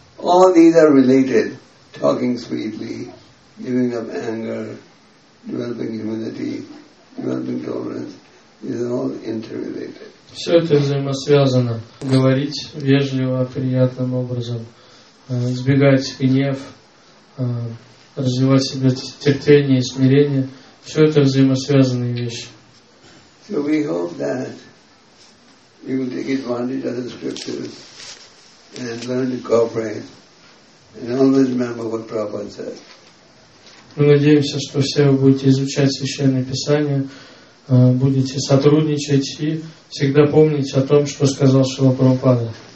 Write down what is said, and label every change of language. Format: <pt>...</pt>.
<en>All these are related. Talking sweetly, giving up anger, developing humility, developing tolerance. These are all interrelated.</en> <ru>Все это взаимосвязано. Говорить вежливо, приятным образом, избегать гнев, развивать в себе терпение и смирение. Все это взаимосвязанные вещи.</ru> <en>So we hope that you will take advantage of the scriptures and learn to cooperate. And always remember what Prabhupada said.</en> <ru>Мы надеемся, что все вы будете изучать Священное Писание, будете сотрудничать и всегда помнить о том, что сказал Шрила Прабхупада.</ru>